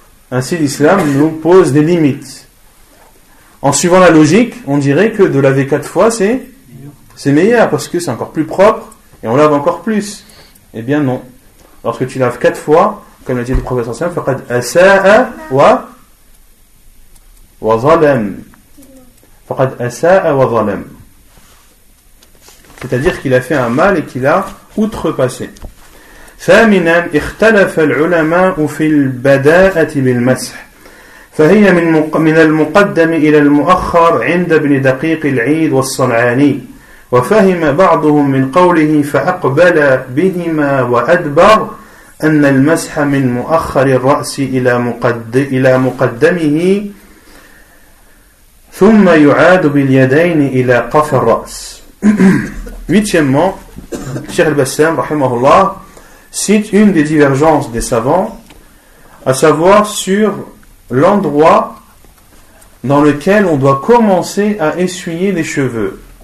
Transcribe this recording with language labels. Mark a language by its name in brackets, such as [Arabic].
[French] Ainsi, l'islam nous pose des limites. En suivant la logique, on dirait que de laver quatre fois, c'est meilleur, parce que c'est encore plus propre, et on lave encore plus. Eh bien non. Lorsque tu laves quatre fois, comme l'a dit le professeur Hassan, « [Arabic] Faqad asa'a wa zalam ». Faqad asa'a wa zalam. [French] C'est-à-dire qu'il a fait un mal et qu'il a outrepassé. [Arabic] ثامنا اختلف العلماء في البداءة بالمسح فهي من المقدم إلى المؤخر عند ابن دقيق العيد والصنعاني وفهم بعضهم من قوله فأقبل بهما وأدبر أن المسح من مؤخر الرأس إلى مقدمه ثم يعاد باليدين إلى قف الرأس. [French] Huitièmement, Cheikh Al-Bassam rahimahullah cite une des divergences des savants, à savoir sur l'endroit dans lequel on doit commencer à essuyer les cheveux.